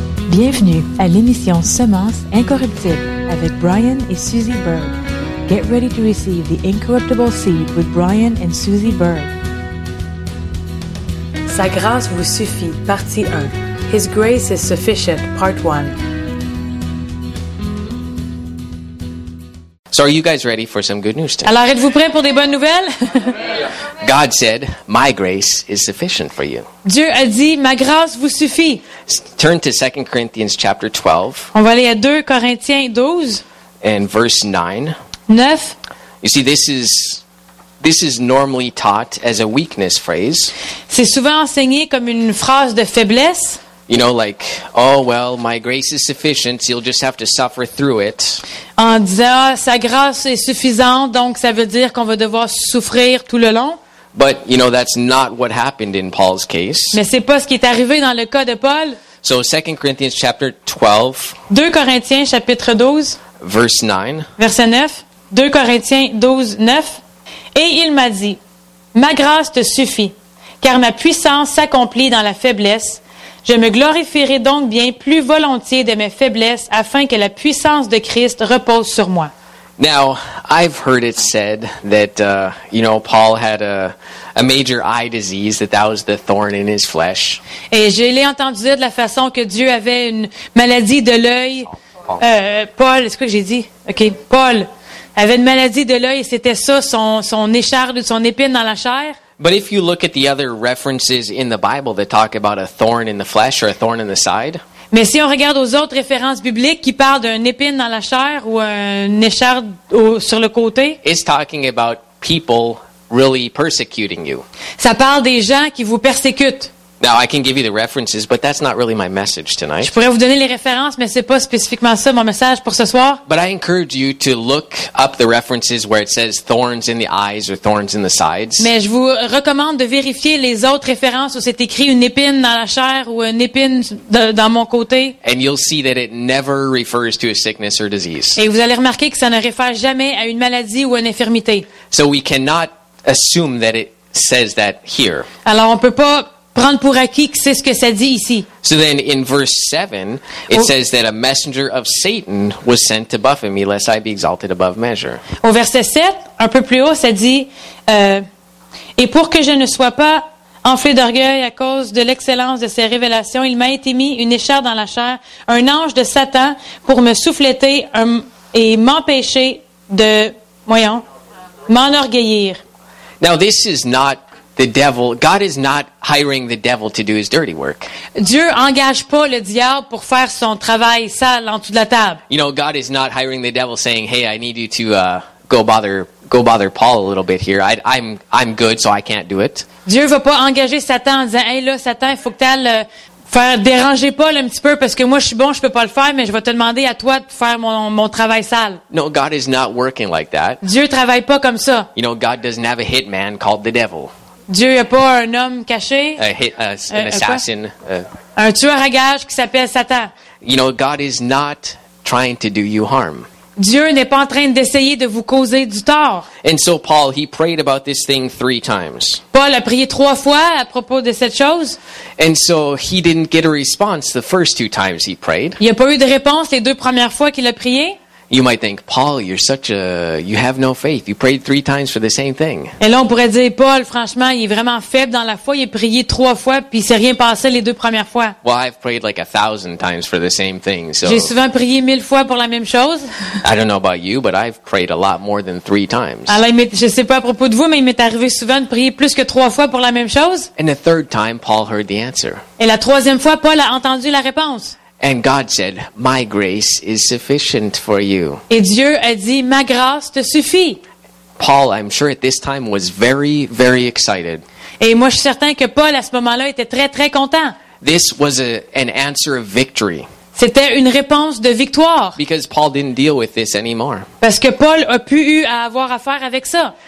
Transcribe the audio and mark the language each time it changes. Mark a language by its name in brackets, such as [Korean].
[French] Bienvenue à l'émission Semence incorruptible avec Brian et Suzy Berg. [English] Get ready to receive the incorruptible seed with Brian and Suzy Berg. [French] Sa grâce vous suffit, partie 1. [English] His grace is sufficient, part 1. So are you guys ready for some good news today? [French] Alors êtes-vous prêts pour des bonnes nouvelles? [English] God said, "My grace is sufficient for you." [French] Dieu a dit, ma grâce vous suffit. [English] Turn to 2 Corinthians chapter 12. [French] On va aller à 2 Corinthiens 12. [English] And verse 9. 9. You see, this is normally taught as a weakness phrase. [French] C'est souvent enseigné comme une phrase de faiblesse. [English] You know, like, oh well, my grace is sufficient. So you'll just have to suffer through it. [French] En disant, ah, sa grâce est suffisante, donc ça veut dire qu'on va devoir souffrir tout le long. [English] But you know, that's not what happened in Paul's case. [French] Mais c'est pas ce qui est arrivé dans le cas de Paul. [English] So 2 Corinthians chapter 12. [French] 2 Corinthiens chapitre 12. [English] Verse 9. [French] Verset 9. 2 Corinthiens 12, 9. Et il m'a dit, ma grâce te suffit, car ma puissance s'accomplit dans la faiblesse. Je me glorifierai donc bien plus volontiers de mes faiblesses afin que la puissance de Christ repose sur moi. [English] Now, I've heard it said that you know, Paul had a major eye disease, that was the thorn in his flesh. [French] Et je l'ai entendu dire de la façon que Dieu avait une maladie de l'œil. Paul, est-ce que j'ai dit? OK, Paul avait une maladie de l'œil, c'était ça son écharde, son épine dans la chair. [English] But if you look at the other references in the Bible that talk about a thorn in the flesh or a thorn in the side. [French] Mais si on regarde aux autres références bibliques qui parlent d'un épine dans la chair ou un écharde sur le côté. [English] It's talking about people really persecuting you. [French] Ça parle des gens qui vous persécutent. [English] Now I can give you the references, but that's not really my message tonight. [French] Je pourrais vous donner les références, mais c'est pas spécifiquement ça mon message pour ce soir. [English] But I encourage you to look up the references where it says thorns in the eyes or thorns in the sides. [French] Mais je vous recommande de vérifier les autres références où c'est écrit une épine dans la chair ou une épine dans mon côté. [English] And you'll see that it never refers to a sickness or disease. [French] Et vous allez remarquer que ça ne réfère jamais à une maladie ou une infirmité. [English] So we cannot assume that it says that here. [French] Alors on peut pas prendre pour acquis que c'est ce que ça dit ici. [English] So then in verse 7, it says that a messenger of Satan was sent to buffet me, lest I be exalted above measure. [French] Au verset 7, un peu plus haut, ça dit et pour que je ne sois pas enflé d'orgueil à cause de l'excellence de ses révélations, il m'a été mis une écharde dans la chair, un ange de Satan pour me souffléter et m'empêcher de m'enorgueillir. [English] Now this is not the devil. God is not hiring the devil to do his dirty work. [French] Dieu engage pas le diable pour faire son travail sale en dessous de la table. [English] You know, God is not hiring the devil saying, "Hey, I need you to go bother Paul a little bit here. I'm good, so I can't do it." [French] Dieu va pas engager Satan en disant, "Hey là, Satan, faut que t'ailles faire déranger Paul un petit peu parce que moi je suis bon, je peux pas le faire, mais je vais te demander à toi de faire mon travail sale." [English] No, God is not working like that. [French] Dieu travaille pas comme ça. [English] You know, God doesn't have a hitman called the devil. [French] Dieu n'a pas un homme caché. [English] Assassin. [French] Un tueur à gages qui s'appelle Satan. [English] You know, God is not trying to do you harm. [French] Dieu n'est pas en train d'essayer de vous causer du tort. [English] And so Paul, he prayed about this thing three times. [French] Paul a prié trois fois à propos de cette chose. [English] And so he didn't get a response the first two times he prayed. [French] Il n'a pas eu de réponse les deux premières fois qu'il a prié. [English] You might think, Paul, you're such a, you have no faith. You prayed three times for the same thing. [French] Et là, on pourrait dire, Paul, franchement, il est vraiment faible dans la foi. Il a prié trois fois, puis il s'est rien passé les deux premières fois. [English] Well, I've prayed like 1,000 times for the same thing. So [French] j'ai souvent prié 1,000 fois pour la même chose. [English] I don't know about you, but I've prayed a lot more than three times. [French] Alors, je sais pas à propos de vous, mais il m'est arrivé souvent de prier plus que trois fois pour la même chose. [English] And the third time, Paul heard the answer. [French] Et la troisième fois, Paul a entendu la réponse. [English] And God said, "My grace is sufficient for you." [French] Et Dieu a dit, ma grâce te suffit. [English] Paul, I'm sure at this time was very, very excited. [French] Et moi, je suis certain que Paul à ce moment-là était très, très content. [English] This was an answer of victory. [French] C'était une réponse de victoire. [English] Because Paul didn't deal with this anymore. [French] Parce que Paul a pu eu à avoir affaire avec ça.